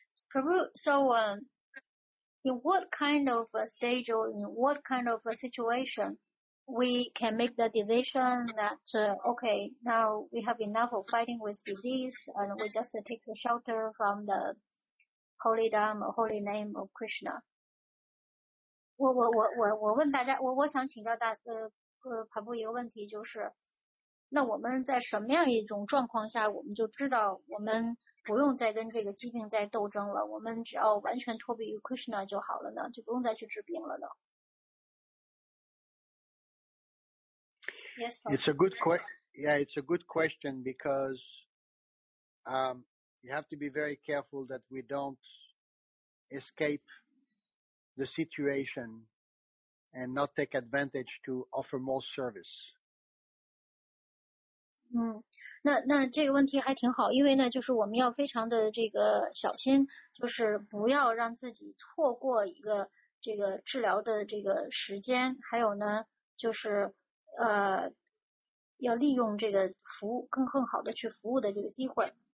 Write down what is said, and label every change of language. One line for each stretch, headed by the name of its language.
English: Prabhu, so in what kind of a stage or in what kind of a situation we can make the decision that, okay, now we have enough of fighting with disease and we just take the shelter from the holy dam or holy name of Krishna.
Chinese: 我问大家，我想请教大Prabhu 一个问题，就是那我们在什么样一种状况下我们就知道我们不用再跟这个疾病再斗争了，我们只要完全脱离于 Krishna 就好了呢，就不用再去治病了呢。
English: Yes, it's a good question. Yeah, it's a good question because you have to be very careful that we don't escape the situation and not take advantage to offer more service.
Chinese: 嗯，那这个问题还挺好，因为呢，就是我们要非常的这个小心，就是不要让自己错过一个这个治疗的这个时间，还有呢，就是要利用这个服务更好的去服务的这个机会。